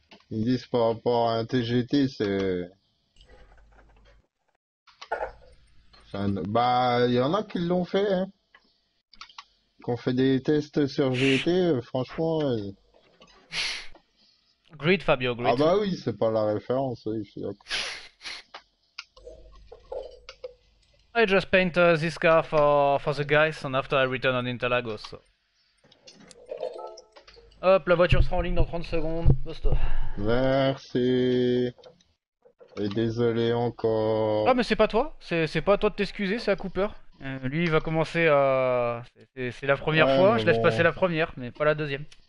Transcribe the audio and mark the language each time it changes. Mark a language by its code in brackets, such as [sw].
[fr] Ils disent par rapport à un TGT, c'est un... Bah il y en a qui l'ont fait, hein. Qu'on fait des tests sur GT, franchement... [en] Great Fabio, great. [fr] Ah bah oui, c'est pas la référence, oui, je suis d'accord. [en] I just paint this car for the guys and after I return on Interlagos. So. [fr] Hop, la voiture sera en ligne dans 30 secondes. Basta. Merci. Et désolé encore. Ah, mais c'est pas toi. C'est pas à toi de t'excuser, c'est à Cooper. Lui, il va commencer à. C'est la première ouais, fois, je laisse bon. Passer la première, mais pas la deuxième.